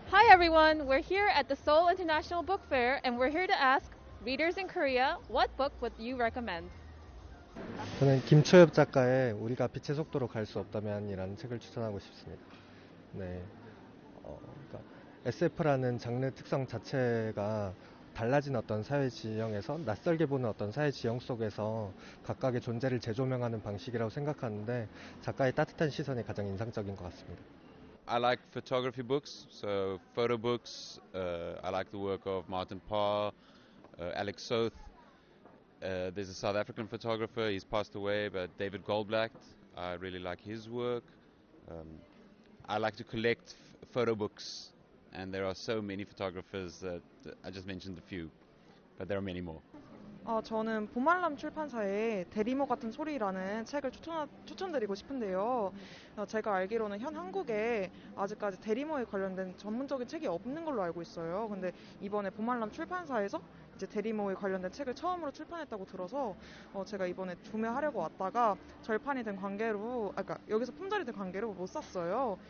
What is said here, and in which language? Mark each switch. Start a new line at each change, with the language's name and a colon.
English: everyone, we're here at the Seoul International Book Fair, and we're here to ask readers in Korea, what book would you recommend?
Korean: 저는 김초엽 작가의 우리가 빛의 속도로 갈 수 없다면이라는 책을 추천하고 싶습니다. 네, 그러니까 SF라는 장르 특성 자체가 달라진 어떤 사회 지형에서 낯설게 보는 어떤 사회 지형 속에서 각각의 존재를 재조명하는 방식이라고 생각하는데 작가의 따뜻한 시선이 가장 인상적인 것 같습니다.
English: I like photography books, so photo books. I like the work of Martin Parr, Alex Soth. There's a South African photographer, he's passed away, but David Goldblatt, I really like his work. I like to collect photo books, and there are so many photographers that I just mentioned a few, but there are many more.
Korean: 저는 봄알람 출판사의 대리모 같은 소리라는 책을 추천드리고 싶은데요. 제가 알기로는 현 한국에 아직까지 대리모에 관련된 전문적인 책이 없는 걸로 알고 있어요. 근데 이번에 봄알람 출판사에서 이제 대리모에 관련된 책을 처음으로 출판했다고 들어서 제가 이번에 구매하려고 왔다가 절판이 된 관계로, 그러니까 여기서 품절이 된 관계로 못 샀어요.